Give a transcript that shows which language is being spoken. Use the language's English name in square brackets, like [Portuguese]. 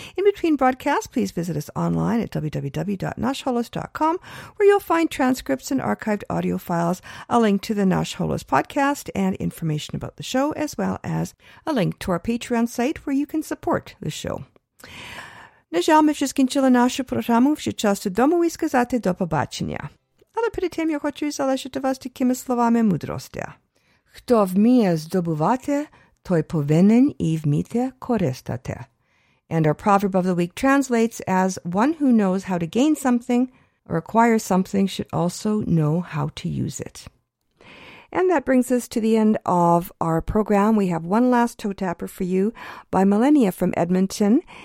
[English] In between broadcasts, please visit us online at www.nashholos.com, where you'll find transcripts and archived audio files, a link to the Nash Holos podcast and information about the show, as well as a link to our Patreon site where you can support the show. [Ukrainian] На жаль, ми вже скінчили нашу програму. Вже час додому і сказати до побачення. Але перед тим я хочу залишити вас такими словами мудрості. Хто вміє здобувати, той повинен і вміти користати. [English] And our proverb of the week translates as, one who knows how to gain something or acquire something should also know how to use it. And that brings us to the end of our program. We have one last toe tapper for you by Millennia from Edmonton.